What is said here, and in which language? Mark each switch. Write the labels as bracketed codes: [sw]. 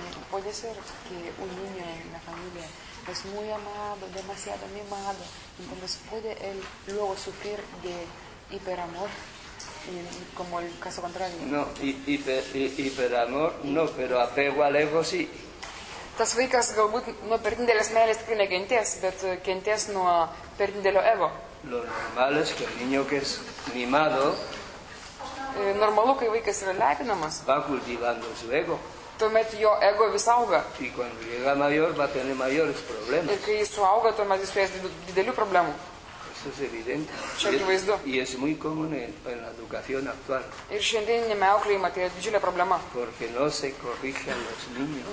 [es] Puede ser que un niño en la familia es muy amado, demasiado mimado, entonces puede él luego sufrir de hiperamor, como el caso contrario. No, hiperamor no, pero apego al ego sí. [lt] Tas vaikas galbūt nuo per didelės meilės tikrai nekentės, bet kentės nuo per didelio ego. [es] Lo normal es que el niño que es mimado, [lt] normalu, kai vaikas yra lepinamas, [es] va cultivando su ego. [lt] Tuomet jo ego vis auga. [es] Y cuando llega mayor, va a tener mayores problemas. [lt] Ir kai jis suauga, tuomet jis turės didelių problemų. [es] Eso es evidente. [lt] Čia akivaizdu. [es] Y es muy común en la educación actual. [lt] Ir šiandieninėme auklėjime tai yra didžiulė problema. [es] Porque no se corrigen los niños.